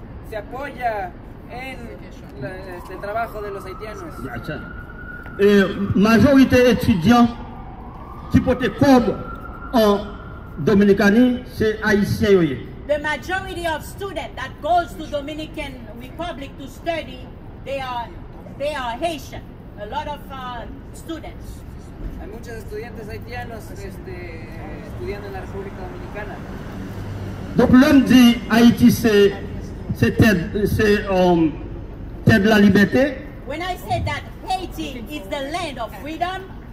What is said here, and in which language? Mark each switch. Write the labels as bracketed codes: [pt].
[es] se apoya en el trabajo de los haitianos. [en] Gotcha. [fr] Majorité étudiants qui portent code en Dominicanie, c'est haïtien. [en] The majority of students that goes to Dominican Republic to study, they are Haitian. A lot of students. [es] Hay muchos estudiantes haitianos estudiando en la República Dominicana. [fr] Donc l'homme dit Haïti c'est terre de la liberté. [en] When I say that Haiti is the land of freedom.